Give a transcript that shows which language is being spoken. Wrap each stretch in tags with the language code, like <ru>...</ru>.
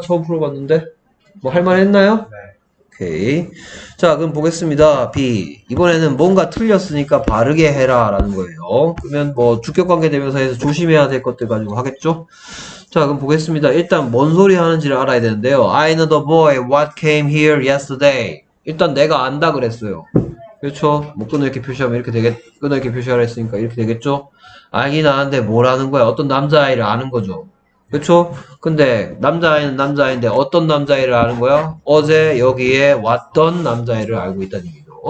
<ko>처음 풀어봤는데 뭐할 만했나요? 오케이, 자 그럼 보겠습니다. B, 이번에는 뭔가 틀렸으니까 바르게 해라 라는 거예요. 그러면 뭐 주격관계대명사에서 조심해야 될 것들 가지고 하겠죠? 자 그럼 보겠습니다. 일단 뭔 소리 하는지를 알아야 되는데요.</ko> <en>I know the boy what came here yesterday.</en> <ko>일단 내가 안다 그랬어요. 그렇죠? 뭐 끊어 이렇게 표시하면 이렇게 되겠, 끊어 이렇게 표시하라 했으니까 이렇게 되겠죠? 알긴 아는데 뭘 아는 거야? 어떤 남자아이를 아는 거죠. 그렇죠? 근데 남자아이는 남자아이인데 어떤 남자아이를 아는 거야? 어제 여기에 왔던 남자아이를 알고 있다는 얘기죠.</ko>